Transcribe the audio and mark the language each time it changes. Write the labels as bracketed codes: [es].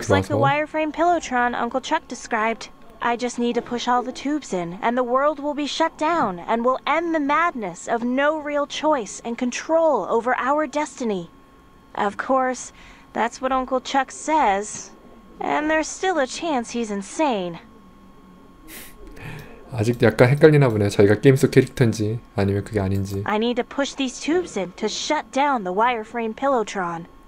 [en] This looks like the wireframe pilotron Uncle Chuck described. I just need to push all the tubes in, and the world will be shut down, and we'll end the madness of no real choice and control over our destiny. Of course, that's what Uncle Chuck says, and there's still a chance he's insane. [ko] 아직 약간 헷갈리나 보네요. 자기가 게임 속 캐릭터인지 아니면 그게 아닌지. [en] I need to push these tubes in to shut down the wireframe pilotron.